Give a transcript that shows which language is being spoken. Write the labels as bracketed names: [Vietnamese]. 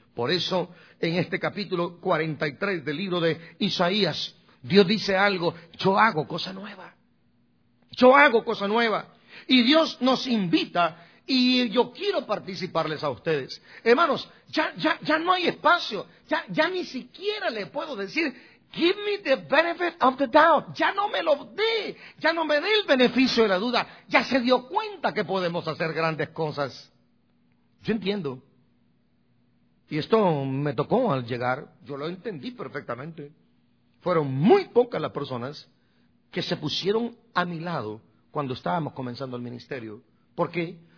[Spanish] Por eso, en este capítulo 43 del libro de Isaías, Dios dice algo, yo hago cosa nueva. Yo hago cosa nueva. Y Dios nos invita y yo quiero participarles a ustedes. Hermanos, ya no hay espacio. Ya ni siquiera le puedo decir [English] Give me the benefit of the doubt. [Spanish] Ya no me lo dé. Ya no me dé el beneficio de la duda. Ya se dio cuenta que podemos hacer grandes cosas. Yo entiendo. Y esto me tocó al llegar. Yo lo entendí perfectamente. Fueron muy pocas las personas que se pusieron a mi lado cuando estábamos comenzando el ministerio. ¿Por qué?